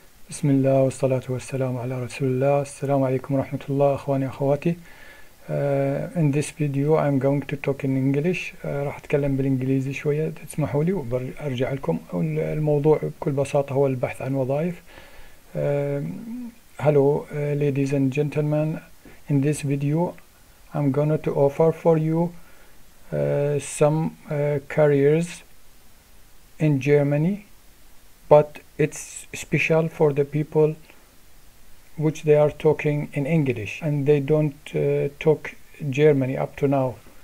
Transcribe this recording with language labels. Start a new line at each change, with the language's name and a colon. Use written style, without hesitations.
Arabic: بسم الله والصلاة والسلام على رسول الله. السلام عليكم ورحمة الله أخواني أخواتي.
English: In this video I'm going to talk in English.
Arabic: راح أتكلم بالإنجليزي شوية تسمحوا لي وبرجع لكم. الموضوع بكل بساطة هو البحث عن وظائف.
English: Hello ladies and gentlemen. In this video I'm going to offer for you some careers in Germany, but it's special for the people which they are talking in English and they don't talk Germany up to now.